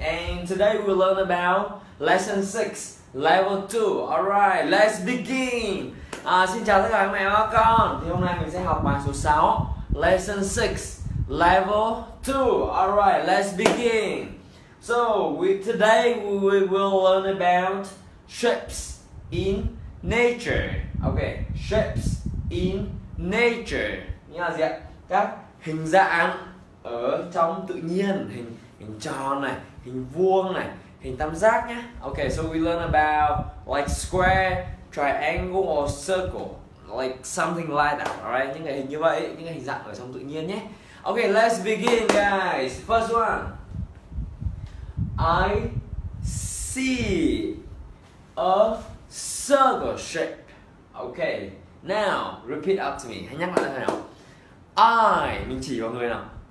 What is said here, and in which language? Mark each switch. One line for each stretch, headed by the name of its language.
English: And today we will learn about lesson 6, level 2. Alright, let's begin.
Vietnamese: Xin chào tất cả các mẹ và các con. Thì hôm nay mình sẽ học bài số 6,
English: lesson 6, level 2. Alright, let's begin. So, today we will learn about shapes in nature. Okay, shapes in nature.
Vietnamese: Nghĩa là gì ạ? Các hình dạng ở trong tự nhiên, hình tròn này, hình vuông này, hình tam giác nhá.
English: Okay, so we learn about like square, triangle or circle, like something like that.
Vietnamese: Alright, những cái hình như vậy, những cái hình dạng ở trong tự nhiên nhé.
English: Okay, let's begin, guys. First one. I see a circle shape. Okay, now repeat after me.
Vietnamese: Hãy nhắc lại thế nào. I, mình chỉ vào người nào.